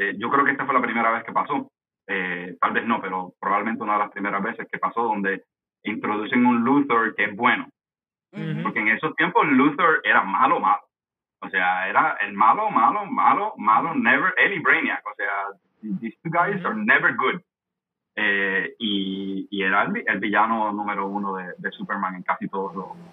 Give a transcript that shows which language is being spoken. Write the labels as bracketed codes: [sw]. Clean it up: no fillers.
[es] Yo creo que esta fue la primera vez que pasó. Tal vez no, pero probablemente una de las primeras veces que pasó, donde introducen un Luthor que es bueno. Porque en esos tiempos Luthor era malo. O sea, era el malo, [en] never, [es] él y Brainiac. O sea, [en] these two guys are never good. [es] Y era el villano número uno de Superman en casi todos los...